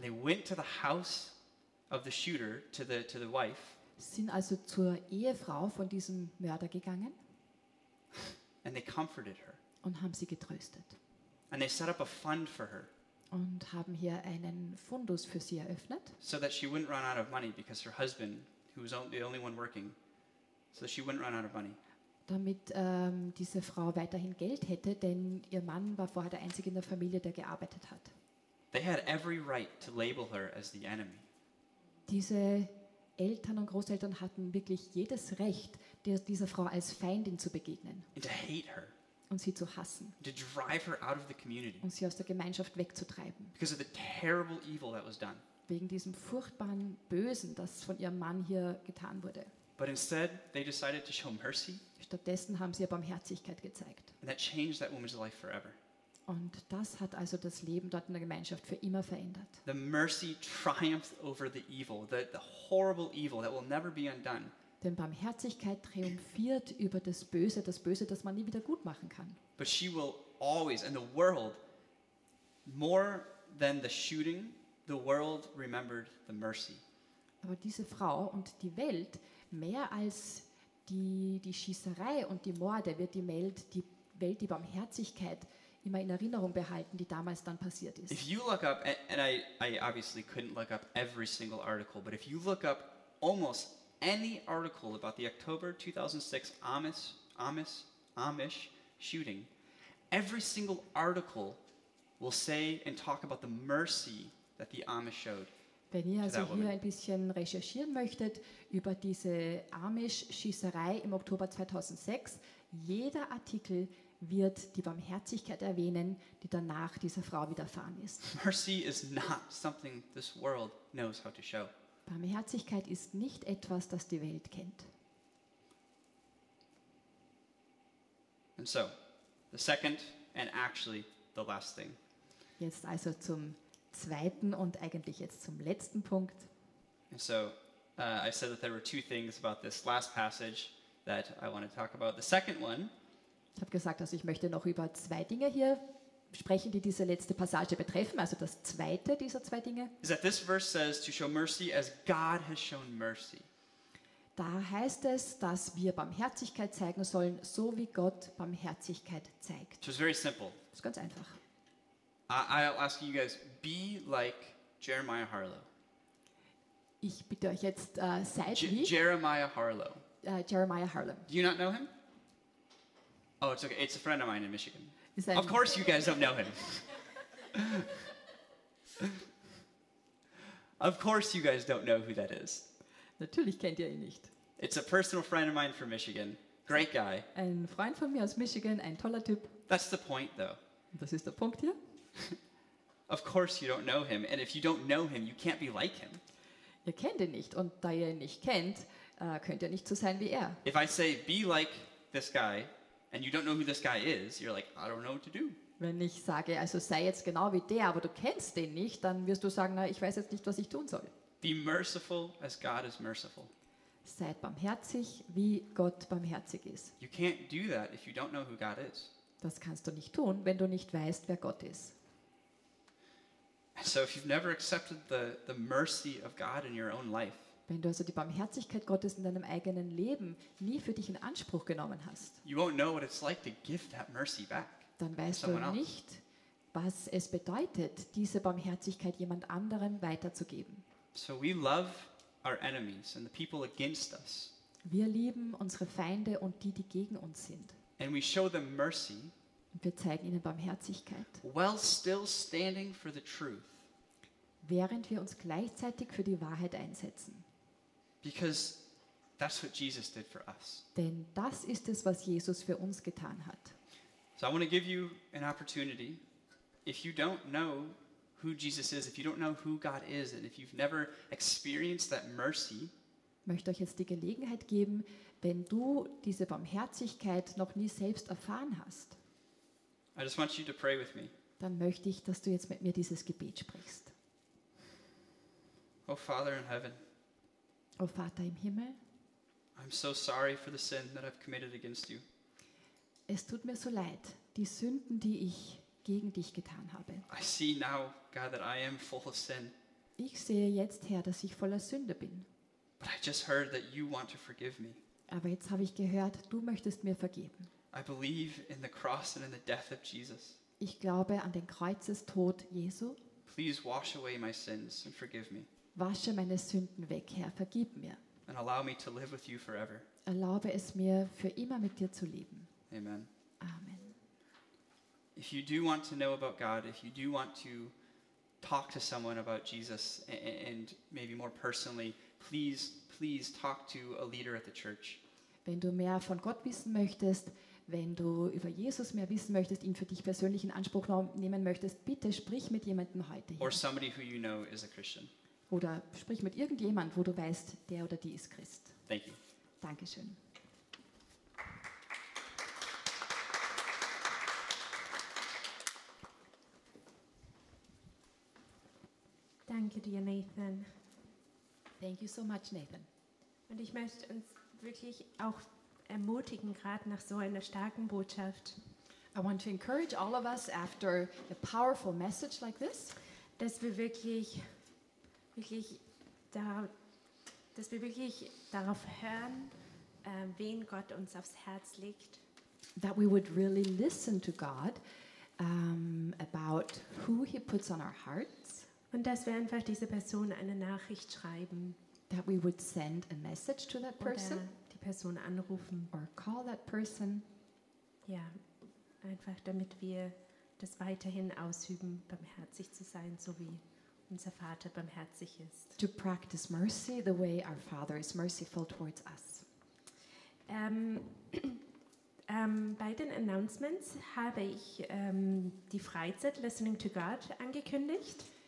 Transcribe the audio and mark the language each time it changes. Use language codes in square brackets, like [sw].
[en] They went to the house of the shooter, to the wife, [de] sind also zur Ehefrau von diesem Mörder gegangen. [en] And they comforted her. [de] Und haben sie getröstet. [en] And they set up a fund for her. [de] Und haben hier einen Fundus für sie eröffnet. [en] So that she wouldn't run out of money, because her husband, who was the only one working, so she wouldn't run out of money. [de] Damit diese Frau weiterhin Geld hätte, denn ihr Mann war vorher der einzige in der Familie, der gearbeitet hat. [en] They had every right to label her as the enemy. [de] Diese Eltern und Großeltern hatten wirklich jedes Recht, dieser Frau als Feindin zu begegnen. [en] And to hate her. [de] Und sie zu hassen. [en] To drive her out of the community. [de] Und sie aus der Gemeinschaft wegzutreiben. [en] Because of the terrible evil that was done. [de] Wegen diesem furchtbaren Bösen, das von ihrem Mann hier getan wurde. [en] But instead, they decided to show mercy. [de] Stattdessen haben sie ihr Barmherzigkeit gezeigt. [en] And that changed that woman's life forever. [de] Und das hat also das Leben dort in der Gemeinschaft für immer verändert. [en] The mercy triumphed over the evil, the horrible evil that will never be undone. [de] Denn Barmherzigkeit triumphiert über das Böse, das man nie wieder gut machen kann. [en] But she will always, and the world, more than the shooting, the world remembered the mercy. [de] Aber diese Frau und die Welt, mehr als die Schießerei und die Morde, wird die Welt die Barmherzigkeit immer in Erinnerung behalten, die damals dann passiert ist. [en] If you look up, and I obviously couldn't look up every single article, but if you look up almost any article about the October 2006 Amish shooting, every single article will say and talk about the mercy that the Amish showed. [de] Wenn ihr also hier ein bisschen recherchieren möchtet über diese Amish-Schießerei im Oktober 2006, jeder Artikel wird die Barmherzigkeit erwähnen, die danach dieser Frau widerfahren ist. [en] Mercy is not something this world knows how to show. [de] Barmherzigkeit ist nicht etwas, das die Welt kennt. [en] And so, the second and actually the last thing. [de] Jetzt also zum zweiten und eigentlich jetzt zum letzten Punkt. [en] And so, I said that there were two things about this last passage that I want to talk about. The second one. [de] Ich habe gesagt, also ich möchte noch über zwei Dinge hier sprechen, die diese letzte Passage betreffen, also das zweite dieser zwei Dinge. [en] Is that this verse says to show mercy as God has shown mercy. [de] Da heißt es, dass wir Barmherzigkeit zeigen sollen, so wie Gott Barmherzigkeit zeigt. [en] So it's very simple. [de] Das ist ganz einfach. [en] I'll ask you guys, be like Jeremiah Harlow. [de] Ich bitte euch jetzt, seid wie Jeremiah Harlow. [en] Jeremiah Harlow. Do you not know him? Oh, it's okay. It's a friend of mine in Michigan. Of course you guys don't know him. Of course you guys don't know who that is. [de] Natürlich kennt ihr ihn nicht. [en] It's a personal friend of mine from Michigan. Great guy. [de] Ein Freund von mir aus Michigan, ein toller Typ. [en] That's the point though. [de] Das ist der Punkt hier. [en] Of course you don't know him, and if you don't know him, you can't be like him. [de] Ihr kennt ihn nicht, und da ihr ihn nicht kennt, könnt ihr nicht so sein wie er. [en] If I say be like this guy and you don't know who this guy is, you're like, I don't know what to do. [de] Wenn ich sage, also sei jetzt genau wie der, aber du kennst den nicht, dann wirst du sagen, na, ich weiß jetzt nicht, was ich tun soll. [en] Be merciful as God is merciful. [de] Seid barmherzig, wie Gott barmherzig ist. [en] You can't do that if you don't know who God is. [de] Das kannst du nicht tun, wenn du nicht weißt, wer Gott ist. [en] So if you've never accepted the mercy of God in your own life, [de] wenn du also die Barmherzigkeit Gottes in deinem eigenen Leben nie für dich in Anspruch genommen hast, [en] you won't know what it's like to give that mercy back. [de] Dann weißt du nicht, was es bedeutet, diese Barmherzigkeit jemand anderem weiterzugeben. [en] So we love our enemies and the people against us. [de] Wir lieben unsere Feinde und die, die gegen uns sind. [en] And we show them mercy. [de] Und wir zeigen ihnen Barmherzigkeit. [en] While still standing for the truth. [de] Während wir uns gleichzeitig für die Wahrheit einsetzen. [en] Because that's what Jesus did for us. [de] Denn das ist es, was Jesus für uns getan hat. [en] So I want to give you an opportunity. If you don't know who Jesus is, if you don't know who God is, and if you've never experienced that mercy, [de] möchte euch jetzt die Gelegenheit geben, wenn du diese Barmherzigkeit noch nie selbst erfahren hast, [en] I just want you to pray with me. [de] Dann möchte ich, dass du jetzt mit mir dieses Gebet sprichst. [en] Oh Father in heaven. [de] Oh Vater im Himmel. [en] I'm so sorry for the sin that I've committed against you. [de] Es tut mir so leid, die Sünden, die ich gegen dich getan habe. [en] I see now, God, that I am full of sin. [de] Ich sehe jetzt, Herr, dass ich voller Sünde bin. [en] But I just heard that you want to forgive me. [de] Aber jetzt habe ich gehört, du möchtest mir vergeben. [en] I believe in the cross and in the death of Jesus. [de] Ich glaube an den Kreuzestod Jesu. [en] Please wash away my sins and forgive me. [de] Wasche meine Sünden weg, Herr, vergib mir. [en] And allow me to live with you forever. [de] Erlaube es mir, für immer mit dir zu leben. [en] Amen. [de] Amen. [en] If you do want to know about God, if you do want to talk to someone about Jesus and maybe more personally, please, please talk to a leader at the church. [de] Wenn du mehr von Gott wissen möchtest, wenn du über Jesus mehr wissen möchtest, ihn für dich persönlich in Anspruch nehmen möchtest, bitte sprich mit jemandem heute hier. [en] Or somebody who you know is a Christian. [de] Oder sprich mit irgendjemand, wo du weißt, der oder die ist Christ. [en] Thank you. [de] Dankeschön. Danke dir, Nathan. [en] Thank you so much, Nathan. [de] Und ich möchte uns wirklich auch ermutigen, gerade nach so einer starken Botschaft. [en] I want to encourage all of us after a powerful message like this, [de] dass wir wirklich darauf hören, wen Gott uns aufs Herz legt. [en] That we would really listen to God about who He puts on our hearts. [de] Und dass wir einfach diese Person eine Nachricht schreiben. [en] That we would send a message to that person. [de] Oder die Person anrufen. [en] Or call that person. [de] Ja, einfach damit wir das weiterhin ausüben, barmherzig zu sein, so wie unser Vater barmherzig ist. [en] To practice mercy the way our Father is merciful towards us. [de] Bei den Announcements habe ich die Freizeit Listening to God angekündigt.